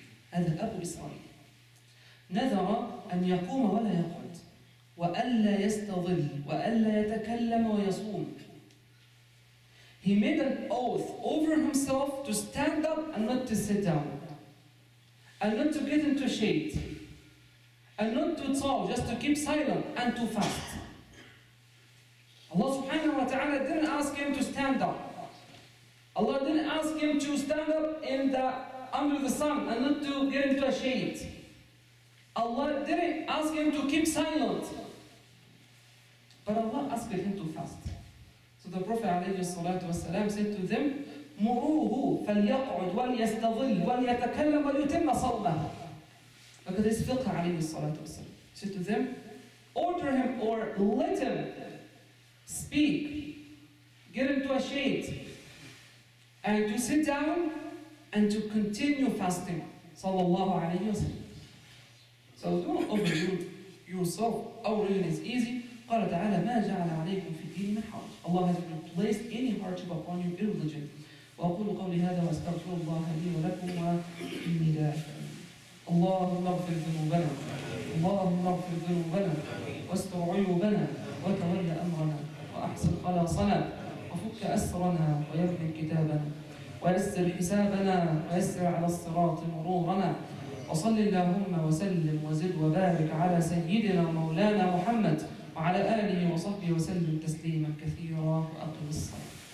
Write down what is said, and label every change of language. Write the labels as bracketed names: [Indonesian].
[Arabic] هذا الأب الإسرائيلي نذر أن يقوم ولا يقعد وألا يستظل وألا يتكلم ويصوم. [English] He made an oath over himself to stand up and not to sit down, and not to get into shade, and not to talk, just to keep silent and to fast. Allah subhanahu wa ta'ala didn't ask him to stand up. Allah didn't ask him to stand up in the under the sun and not to get into a shade. Allah didn't ask him to keep silent. But Allah asked him to fast. So the Prophet [Arabic] عليه الصلاة والسلام [English] said to them, [Arabic] مُرُوهُ فَلْيَقْعُدْ وَلْيَسْتَظِلْ وَلْيَتَكَلَّمْ وَلْيُتِمَّ صَلَّهُ. [English] Look at this fiqh [Arabic] عليه الصلاة والسلام. [English] Said to them, order him or let him speak, get into a shade, and to sit down and to continue fasting. [Arabic] صلى الله عليه وسلم. [English] So don't overdo yourself. Overdoing is easy. [Arabic] قال تعالى ما جعل عليكم في الدين من حرج. [English] Allah has not placed any hardship upon you in religion. [Arabic] وأقول قولي هذا وأستغفر الله لي ولكم وإني داعٍ. اللهم اغفر ذنوبنا، اللهم اغفر ذنوبنا، واستر عيوبنا، وتول أمرنا، وأحسن خلاصنا، وفك أسرنا، ويرحم كتابنا، ويسر حسابنا، ويسر على الصراط مرورنا، وصل اللهم وسلم وزد وبارك على سيدنا مولانا محمد وعلى آله وصحبه وسلم تسليما كثيرا وأقم الصلاة.